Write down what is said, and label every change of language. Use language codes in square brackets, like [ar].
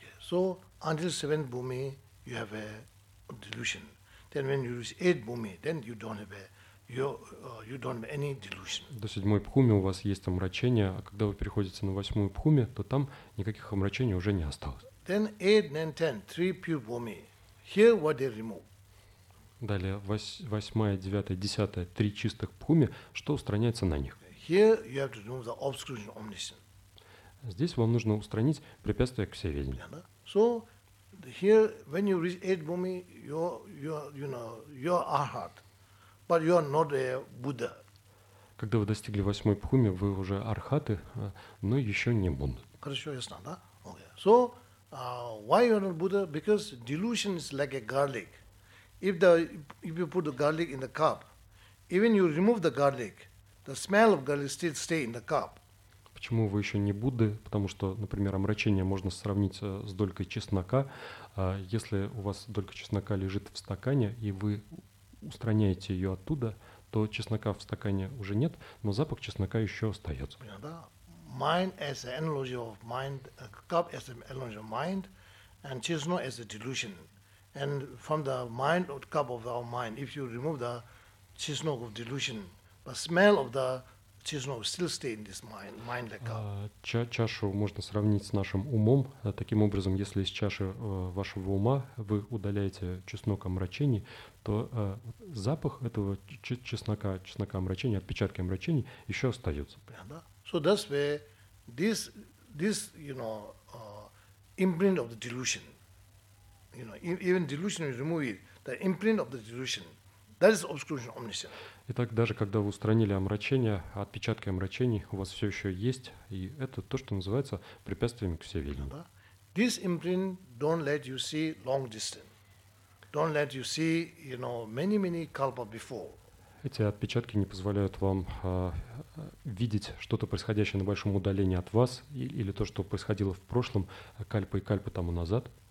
[en] So, until seventh bhumi, you have a delusion. Then when you reach eighth bhumi, then you don't have a You don't have any delusion. [ru] До седьмой пхуми у вас есть омрачение, а когда вы переходите на восьмую пхуми, то там никаких омрачений уже не осталось. [en] Then 8, 9, 10, three pure bhumi. Here what they remove. [ru] Далее восьмая, девятая, десятая, три чистых пхуми, что устраняется на них? [en] Here you have to remove the obstruction of omniscience. [ru] Здесь вам нужно устранить препятствие к всеведению. [en] Yeah, so here when you reach 8 bhumi, you're arhat. But you are not a Buddha. [ru] Когда вы достигли восьмой пхуми, вы уже архаты, но еще не Будда. Хорошо, ясно, да? [en] Okay. So, why you are not Buddha? Because delusion is like a garlic. If you put the garlic in the cup, even you remove the garlic, the smell of garlic still stay in the cup. [ru] Почему вы еще не Будды? Потому что, например, омрачение можно сравнить с долькой чеснока. Если у вас долька чеснока лежит в стакане, и вы устраняете ее оттуда, то чеснока в стакане уже нет, но запах чеснока еще остается. [en] Mind as an analogy of mind, cup as an analogy of mind, and chisno as a delusion. And from the mind or cup of our mind, if you remove the chisno of delusion, the smell of the chisno still stay in this mind like cup. [ru] Чашу можно сравнить с нашим умом. Таким образом, если из чаши вашего ума вы удаляете чеснок омрачений, то запах этого чеснока омрачений, отпечатки омрачений еще остаются. [en] So that's where this imprint of the delusion, you know, even delusion is removed, the imprint of the delusion, that is obstruction of omniscience. [ru] Итак, даже когда вы устранили омрачение, отпечатки омрачений у вас все еще есть, и это то, что называется препятствием к всеведению. [en] This imprint don't let you see long distance. Don't let you see, you know, many kalpa before. [ru] Эти отпечатки не позволяют вам видеть что-то происходящее на большом удалении от вас или то, что происходило в прошлом кальпа и кальпа тому назад.